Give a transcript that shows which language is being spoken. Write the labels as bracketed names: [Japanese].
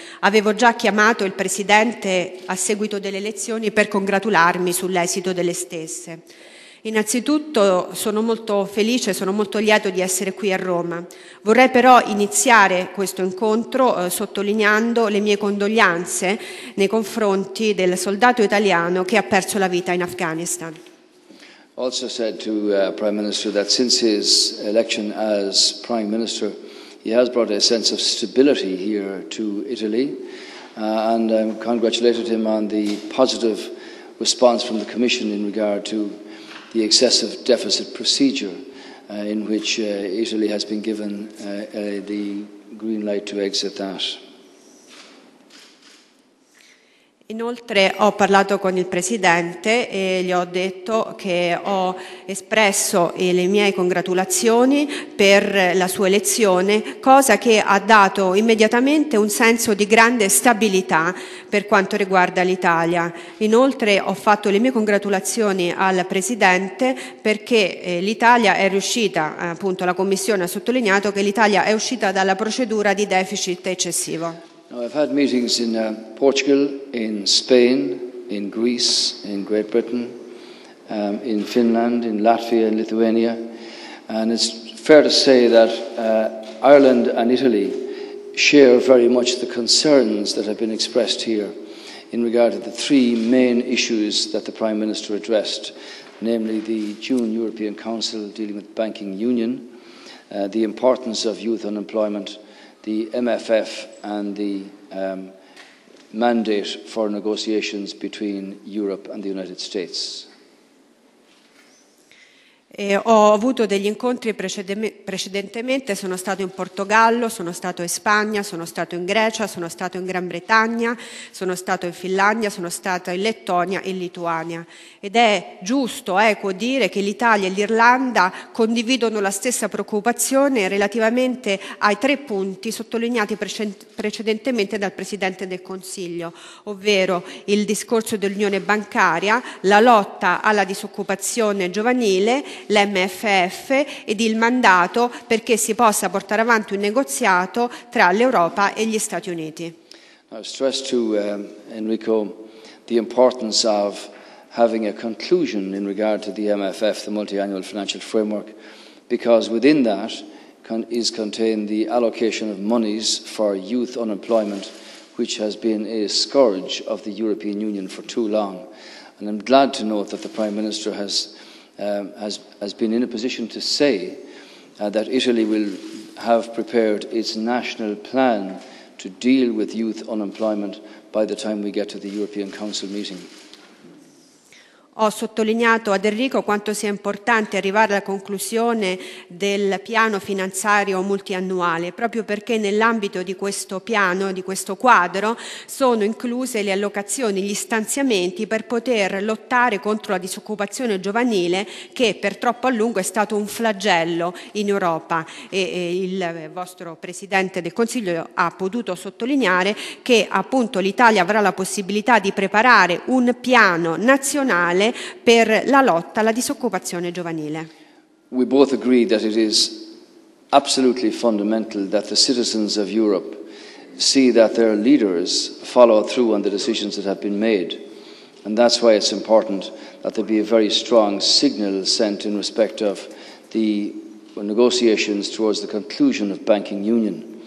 [Italian] Avevo già chiamato il Presidente a seguito delle elezioni per congratularmi sull'esito delle stesse. Innanzitutto sono molto felice, sono molto lieto di essere qui a Roma. Vorrei però iniziare questo incontro sottolineando le mie condoglianze nei confronti del soldato italiano che ha perso la vita in Afghanistan. [English] Also said to Prime Minister that since his election as Prime Minister he has brought a sense of stability here to Italy, and I congratulated him on the positive response from the Commission in regard to the excessive deficit procedure in which Italy has been given the green light to exit that. [Italian] Inoltre ho parlato con il Presidente e gli ho detto che ho espresso le mie congratulazioni per la sua elezione, cosa che ha dato immediatamente un senso di grande stabilità per quanto riguarda l'Italia. Inoltre ho fatto le mie congratulazioni al Presidente perché l'Italia è riuscita, appunto la Commissione ha sottolineato che l'Italia è uscita dalla procedura di deficit eccessivo. [English] Now, I've had meetings in Portugal, in Spain, in Greece, in Great Britain, in Finland, in Latvia, in Lithuania, and it's fair to say that Ireland and Italy share very much the concerns that have been expressed here in regard to the three main issues that the Prime Minister addressed, namely the June European Council dealing with banking union, the importance of youth unemployment, the MFF and the mandate for negotiations between Europe and the United States. [Italian] Ho avuto degli incontri precedentemente, sono stato in Portogallo, sono stato in Spagna, sono stato in Grecia, sono stato in Gran Bretagna, sono stato in Finlandia, sono stato in Lettonia e in Lituania. Ed è giusto, equo dire che l'Italia e l'Irlanda condividono la stessa preoccupazione relativamente ai tre punti sottolineati precedentemente dal Presidente del Consiglio, ovvero il discorso dell'unione bancaria, la lotta alla disoccupazione giovanile, l'MFF ed il mandato perché si possa portare avanti un negoziato tra l'Europa e gli Stati Uniti. [English] I stress to Enrico the importance of having a conclusion in regard to the MFF, the multiannual financial framework, because within that is contained the allocation of monies for youth unemployment, which has been a scourge of the European Union for too long. And I'm glad to note that the Prime Minister has been in a position to say that Italy will have prepared its national plan to deal with youth unemployment by the time we get to the European Council meeting. [Italian] Ho sottolineato ad Enrico quanto sia importante arrivare alla conclusione del piano finanziario multiannuale, proprio perché nell'ambito di questo piano, di questo quadro, sono incluse le allocazioni, gli stanziamenti per poter lottare contro la disoccupazione giovanile che per troppo a lungo è stato un flagello in Europa. E il vostro Presidente del Consiglio ha potuto sottolineare che appunto l'Italia avrà la possibilità di preparare un piano nazionale per la lotta alla disoccupazione giovanile. [English] We both agree that it is absolutely fundamental that the citizens of Europe see that their leaders follow through on the decisions that have been made, and that's why it's important that there be a very strong signal sent in respect of the negotiations towards the conclusion of banking union,